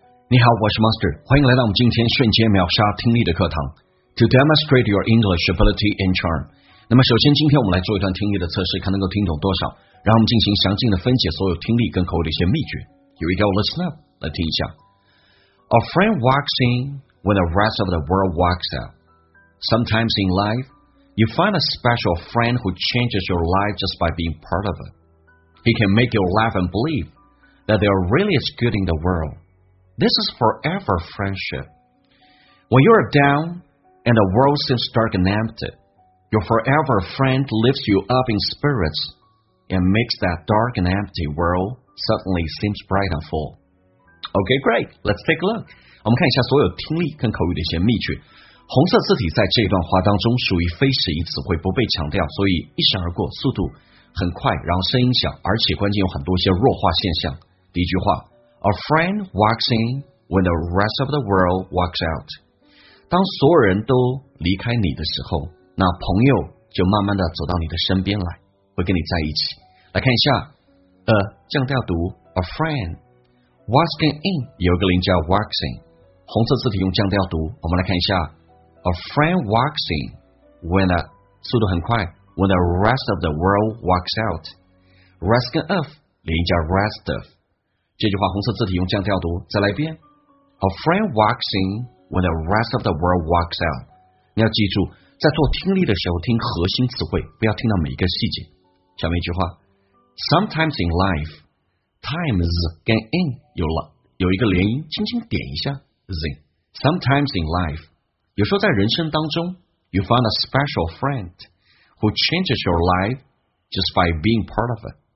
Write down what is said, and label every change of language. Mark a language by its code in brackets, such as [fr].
[zh] 你好，我是 Master， 欢迎来到我们今天瞬间秒杀听力的课堂。 [en] To demonstrate your English ability and charm， [zh] 那么首先今天我们来做一段听力的测试，看能够听懂多少，然后我们进行详尽的分解所有听力跟口语的一些秘诀。 [en] Here we go, listen up， [zh] 来听一下。 [en] A friend walks in when the rest of the world walks out. Sometimes in life, you find a special friend who changes your life just by being part of it. He can make you laugh and believe that there really is good in the worldThis is forever friendship. When you are down and the world seems dark and empty, your forever friend lifts you up in spirits and makes that dark and empty world suddenly seems bright and full. Okay, great. Let's take a look. [zh] 我们看一下所有听力跟口语的一些秘诀。红色字体在这段话当中属于非实义词汇，不被强调，所以一闪而过，速度很快，然后声音小，而且关键有很多一些弱化现象。 [en] 第一句话，A friend walks in when the rest of the world walks out. [zh] 当所有人都离开你的时候，那朋友就慢慢的走到你的身边来，会跟你在一起。来看一下，降调读 ， [en] A friend walking in [zh] 有个零叫 walks in， 红色字体用降调读。我们来看一下 [en] ，A friend walks in when the [zh] 速度很快 [en] ，when the rest of the world walks out. Rest of 零叫 rest of。 [zh] 这句话红色字体用降调读，再来一遍。 [en] A friend walks in when the rest of the world walks out. [zh] 你要记住，在做听力的时候听核心词汇，不要听到每一个细节。下面一句话 ， [en] Sometimes in life, [zh] times 跟 in 有一个连音，轻轻点一下 zin。 [en] Sometimes in life， [zh] 有时候在人生当中 [en] ，you find a special friend who changes your life just by being part of it。